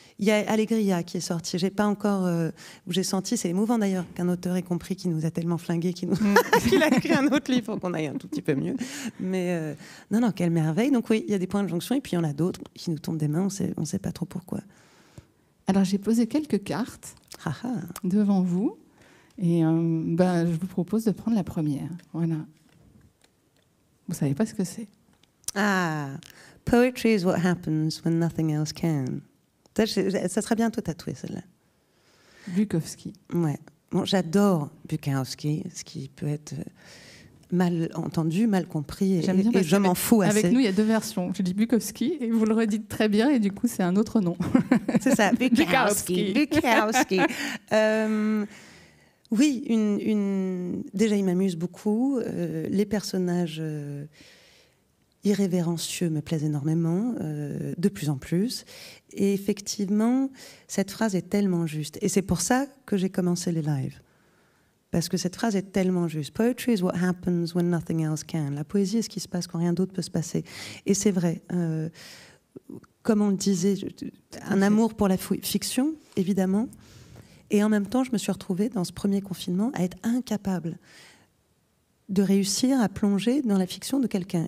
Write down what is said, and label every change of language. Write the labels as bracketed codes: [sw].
[fr] Il y a Allegria qui est sortie. J'ai pas encore. J'ai senti, c'est émouvant d'ailleurs qu'un auteur ait compris qu'il nous a tellement flingués qu'il, nous qu'il a écrit un autre livre pour qu'on aille un tout petit peu mieux. Mais non, quelle merveille. Donc oui, il y a des points de jonction et puis il y en a d'autres qui nous tombent des mains. On sait pas trop pourquoi. Alors j'ai posé quelques cartes devant vous et je vous propose de prendre la première. Voilà. Vous savez pas ce que c'est. [en] Ah, poetry is what happens when nothing else can. [fr] Ça serait bien tout tatoué, celle-là. Bukowski. Ouais. Bon, j'adore Bukowski, ce qui peut être mal entendu, mal compris, et je m'en fous avec assez. Avec nous, il y a deux versions. Je dis Bukowski, et vous le redites très bien, et du coup, c'est un autre nom. C'est ça, Bukowski. Bukowski. oui, déjà, il m'amuse beaucoup. Les personnages irrévérencieux me plaisent énormément, de plus en plus. Et effectivement, cette phrase est tellement juste. Et c'est pour ça que j'ai commencé les lives. Parce que cette phrase est tellement juste. [en] Poetry is what happens when nothing else can. [fr] La poésie est ce qui se passe quand rien d'autre peut se passer. Et c'est vrai. Comme on le disait, un amour pour la fiction, évidemment. Et en même temps, je me suis retrouvée dans ce premier confinement à être incapable de réussir à plonger dans la fiction de quelqu'un.